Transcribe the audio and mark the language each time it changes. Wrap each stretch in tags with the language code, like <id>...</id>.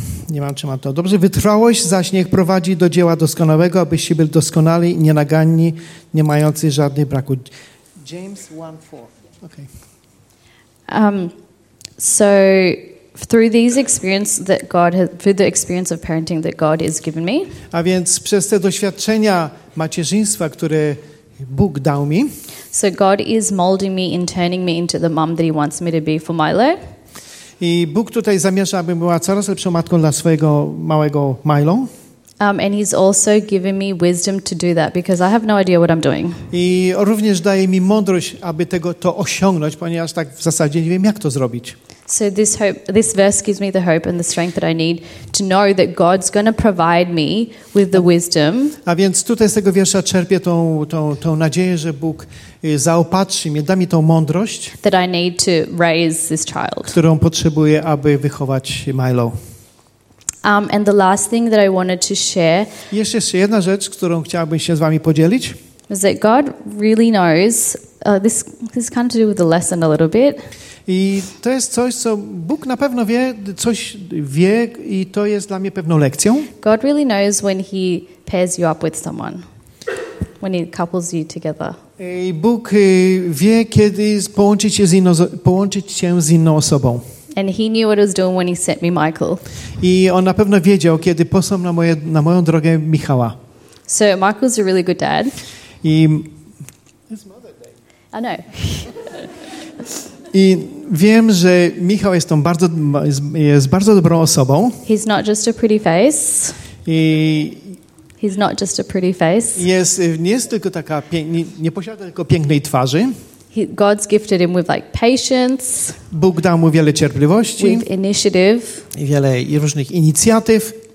<pl>Nie mam, czy mam to. Dobrze, wytrwałość zaś niech prowadzi do dzieła doskonałego, abyście byli doskonali, nienaganni, nie mający żadnych braku.</pl> <en>James 1:4. Okay. So through these experiences that God has, through the experience of parenting that God has given me.</en> <pl>A więc przez te doświadczenia macierzyństwa, które Bóg dał mi.</pl> <en>So God is molding me and turning me into the mom that he wants me to be for Milo.</en> <pl>I Bóg tutaj zamierza, aby była coraz lepszą matką dla swojego małego Milo.</pl> <en>And he's also given me wisdom to do that because I have no idea what I'm doing.</en> <pl>I również daje mi mądrość, aby tego to osiągnąć, ponieważ tak w zasadzie nie wiem, jak to zrobić.</pl> <en>So this hope, this verse gives me the hope and the strength that I need to know that God's going to provide me with the wisdom.</en> <pl>A więc tutaj z tego wiersza czerpię tą nadzieję, że Bóg zaopatrzy mnie, da mi tą mądrość,</pl> <en>that I need to raise this child,</en> <pl>którą potrzebuję, aby wychować Milo.</pl> <en>And the last thing that I wanted to share.</en> <pl>Jeszcze jedna rzecz, którą chciałbym się z wami podzielić.</pl> <en>Is that God really knows? This is kind of to do with the lesson a little bit.</en> <pl>I to jest coś, co Bóg na pewno wie, coś wie, i to jest dla mnie pewną lekcją.</pl> <en>God really knows when he pairs you up with someone, when he couples you together.</en> <pl>I Bóg wie, kiedy połączyć się z inną osobą.</pl> <en>And he knew what he was doing when he sent me Michael.</en> <pl>I on na pewno wiedział, kiedy posłał na moją drogę Michała.</pl> <en>So Michael's a really good dad.</en> <pl>I</pl> <en>his mother day. I know.</en> <pl>I wiem, że Michał jest bardzo dobrą osobą.</pl> <en>He's not just a pretty face.</en> <pl>I</pl> <en>he's not just a pretty face.</en> <pl>Nie jest tylko taka nie posiada tylko pięknej twarzy.</pl> <en>God's gifted him with like patience.</en> <pl>Bóg dał mu wiele cierpliwości.</pl> <en>With initiative.</en> <pl>I wiele różnych inicjatyw.</pl>